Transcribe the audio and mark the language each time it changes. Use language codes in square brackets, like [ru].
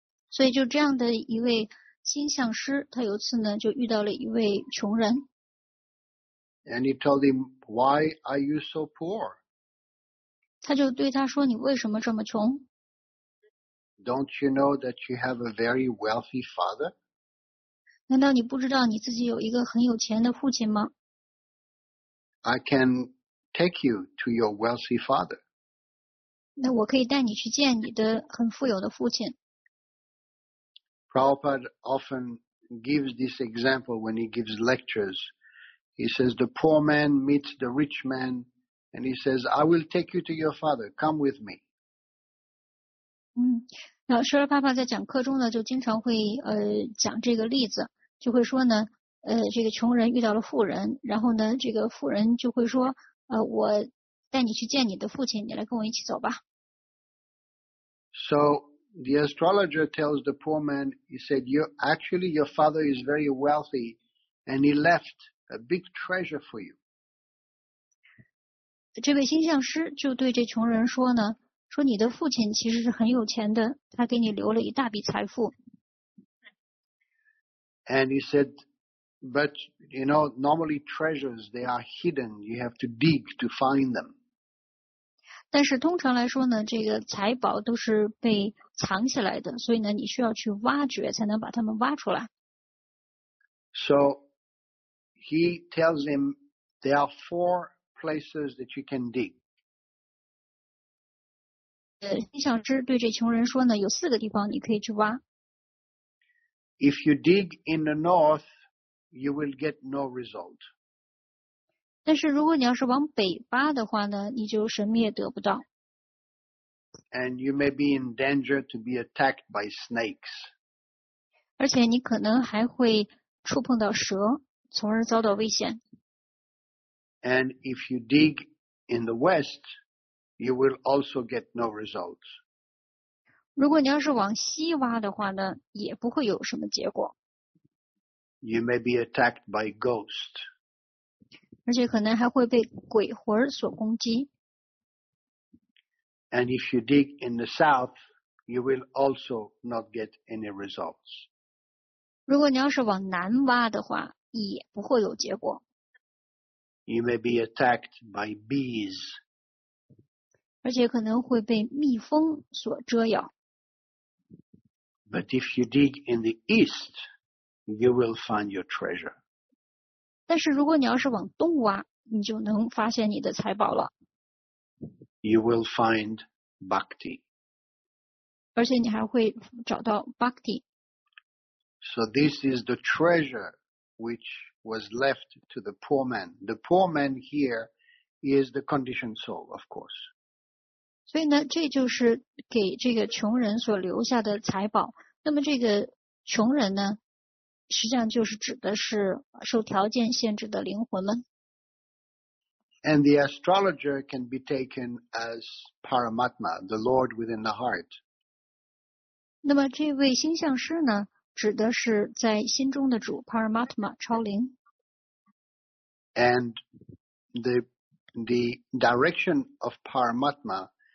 [zh] 所以就这样的一位星象师，他有次呢就遇到了一位穷人。 [en] And he told him, why are you so poor? [zh] 他就对他说，你为什么这么穷？ [en] Don't you know that you have a very wealthy father? [zh] 难道你不知道你自己有一个很有钱的父亲吗？ [en] I can take you to your wealthy father. [zh] 那我可以带你去见你的很富有的父亲。 [en] Prabhupada often gives this example when he gives lectures. He says, the poor man meets the rich man and he says, I will take you to your father. Come with me. [zh] 嗯，那舍尔巴巴在讲课中呢就经常会讲这个例子，就会说呢这个穷人遇到了富人，然后呢这个富人就会说我带你去见你的父亲，你来跟我一起走吧。 [en] So,The astrologer tells the poor man, he said, actually your father is very wealthy and he left a big treasure for you. [zh] 这位星象师就对这穷人说呢，说你的父亲其实是很有钱的，他给你留了一大笔财富。 [en] And he said, but you know, normally treasures, they are hidden. You have to dig to find them. [zh] 但是通常来说呢，这个财宝都是被藏起来的，所以呢，你需要去挖掘才能把它们挖出来。 [en] So he tells him there are four places that you can dig. [zh] 星象师对这穷人说呢，有四个地方你可以去挖。 [en] If you dig in the north, you will get no result. [zh] 但是如果你要是往北挖的话呢，你就什么也得不到。 [en] And you may be in danger to be attacked by snakes. [zh] 而且你可能还会触碰到蛇，从而遭到危险。 [en] And if you dig in the west, you will also get no results. [zh] 如果你要是往西挖的话呢，也不会有什么结果。 [en] You may be attacked by ghosts. [zh] 而且可能还会被鬼魂所攻击。 [en] And if you dig in the south, you will also not get any results. [zh] 如果你要是往南挖的话，也不会有结果。 [en] You may be attacked by bees. [zh] 而且可能会被蜜蜂所蛰咬。 [en] But if you dig in the east, you will find your treasure. [zh] 但是如果你要是往东挖，你就能发现你的财宝了。 [en] You will find bhakti. [zh] 而且你还会找到 bhakti. [en] So this is the treasure which was left to the poor man. The poor man here is the conditioned soul, of course. [zh] 所以呢，这就是给这个穷人所留下的财宝。那么这个穷人呢？实际上就是指的是受条件限制的灵魂们。 [en] And the astrologer can be taken as Paramatma, the Lord within the heart. [zh] 那么这位星象师呢，指的是在心中的主 Paramatma, 超灵。 [en] And the direction of Paramatma